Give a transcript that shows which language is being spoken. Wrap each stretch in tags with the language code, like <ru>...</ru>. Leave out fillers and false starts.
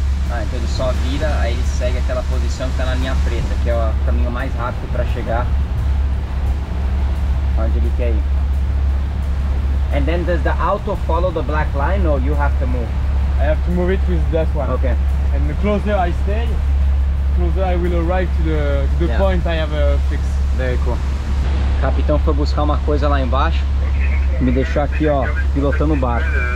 <pt>Ah, então ele só vira, aí ele segue aquela posição que tá na linha preta, que é o caminho mais rápido para chegar onde ele quer ir.</pt> <en>And then does the auto follow the black line or you have to move? I have to move it with this one. Okay. And the closer I stay, I will arrive to the point I have fixed. Very cool.</en> <pt>O capitão foi buscar uma coisa lá embaixo. Me deixou aqui, ó, pilotando o barco.</pt>